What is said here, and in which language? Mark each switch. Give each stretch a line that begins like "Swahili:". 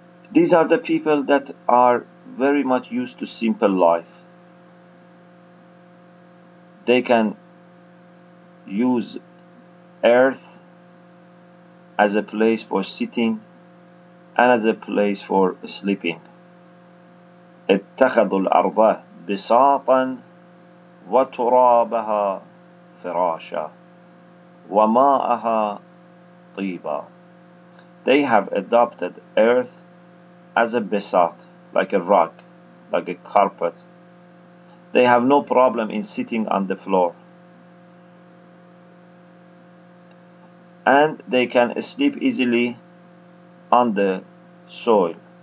English: These are the people that are very much used to simple life. They can use earth as a place for sitting and as a place for sleeping.
Arabic: اتخذوا الأرض بساطا وترابها فراشا وماءها طيبا.
English: They have adopted earth as a basat, like a rug, like a carpet. They have no problem in sitting on the floor. And they can sleep easily on the soil.